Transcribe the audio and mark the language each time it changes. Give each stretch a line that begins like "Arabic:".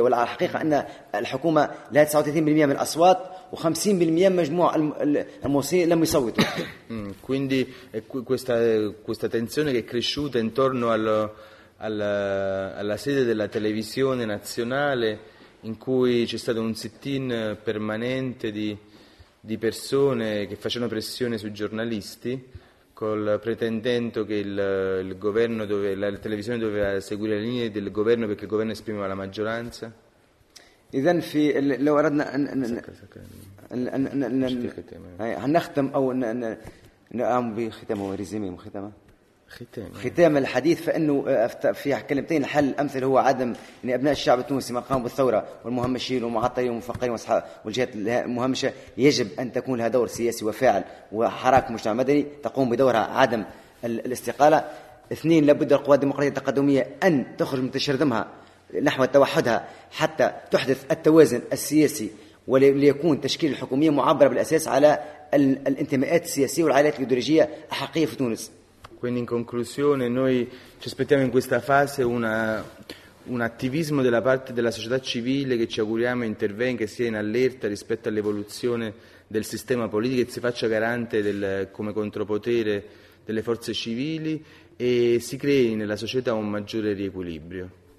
Arabic: والحقيقة أن الحكومة لها 39% من الأصوات و 50% مجموع الموصين لم يصوتوا.
Italian: Quindi questa tensione che è cresciuta intorno alla sede della televisione nazionale, in cui c'è stato un sit-in permanente di persone che facevano pressione sui giornalisti, col pretendendo che il governo dove la televisione doveva seguire le linee del governo perché il governo esprimeva la maggioranza.
Arabic: إذن في لو أردنا أن نختم أو نقام بختامه ريزيمي ختام الحديث, فإنه في كلمتين الحل الأمثل هو عدم يعني أبناء الشعب التونسي ما قاموا بالثورة والمهمشين والمعطلين والمفقرين والجهات المهمشة يجب أن تكون لها دور سياسي وفاعل وحراك مجتمع مدني تقوم بدورها عدم الاستقالة. اثنين, لابد القوى الديمقراطية التقدمية أن تخرج من تشرذمها نحو توحدها حتى تحدث التوازن السياسي وليكون تشكيل الحكومية معبرة بالأساس على الانتماءات السياسية والعائلات الإيديولوجية الحقيقية في تونس.
Italian: Quindi in conclusione noi ci aspettiamo in questa fase un attivismo della parte della società civile che ci auguriamo intervenga, sia in allerta rispetto all'evoluzione del sistema politico e si faccia garante del, come contropotere delle forze civili e si crei nella società un maggiore riequilibrio.